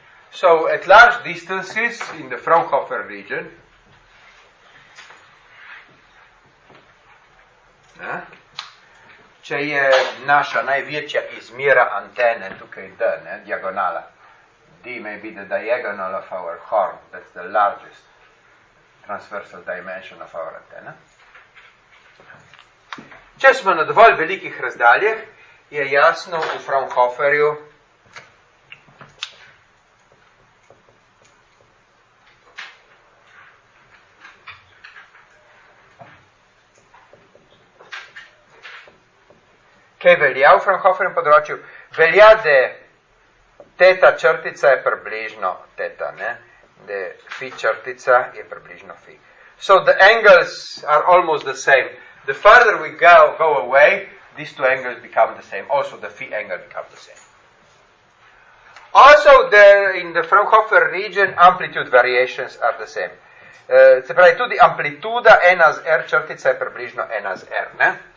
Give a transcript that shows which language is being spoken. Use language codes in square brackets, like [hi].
[en] So, at large distances in the Fraunhofer region, ne? [sl] Če je naša največja izmera antene tukaj D, ne? [en] Diagonala, D may be the diagonal of our horn, that's the largest transversal dimension of our antenna. [sl] Če smo na dovolj velikih razdaljah, je jasno v Fraunhoferju, kaj velja v Fraunhoferjem področju, velja, da teta črtica je približno teta, ne? Da fi črtica je približno fi. [en] So the angles are almost the same. The further we go away, these two angles become the same. Also, the phi angle becomes the same. Also, there in the Fraunhofer region, amplitude variations are the same. [sl] Se pravi, tudi amplituda n az r črtica je približno n az r, ne?